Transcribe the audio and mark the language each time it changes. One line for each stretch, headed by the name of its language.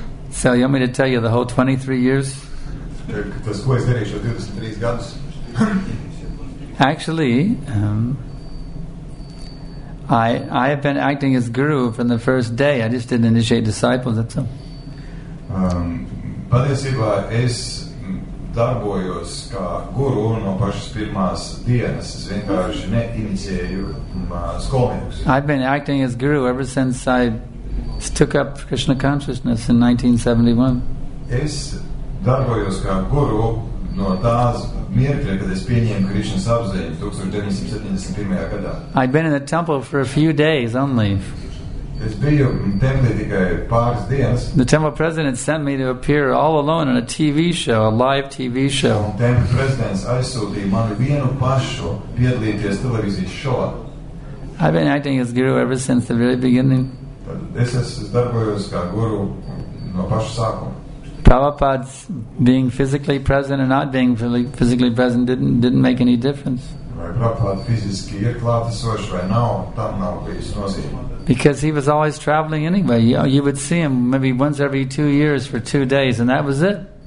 English: So you want me to tell you the whole 23 years?
Latvian: Tas ko es darīšu 23 gadus?
English: Actually, I have been acting as guru from the first day. I just didn't initiate disciples, that's all.
Latvian: Patiesībā es darbojos kā guru no pašas pirmās dienas. Es vienkārši neinicēju skolnieks.
English: I've been acting as guru ever since I took up Krishna consciousness in 1971.
Latvian: Es darbojos kā guru no tās mirkļa, kad es pieņēmu Krishna apziņu 1971. Gadā.
English: I've been in the temple for a few days only.
Latvian: Es biju templī tikai pāris dienas.
English: The temple president sent me to appear all alone on a TV show, a live TV show.
Latvian: Un templī prezidents aizsūtīja mani vienu pašu piedalīties televīzijas šovā.
English: I've been acting as guru ever since the very beginning.
Latvian: Es darbojos kā guru no paša sākuma.
English: Prabhupāds being physically present or not being physically present didn't make any difference.
Latvian: Vai Prabhupāds fiziski ir klātesošs vai nav, tam nav bijis nozīme.
English: Because he was always traveling anyway. You would see him maybe once every 2 years for 2 days, and that was it.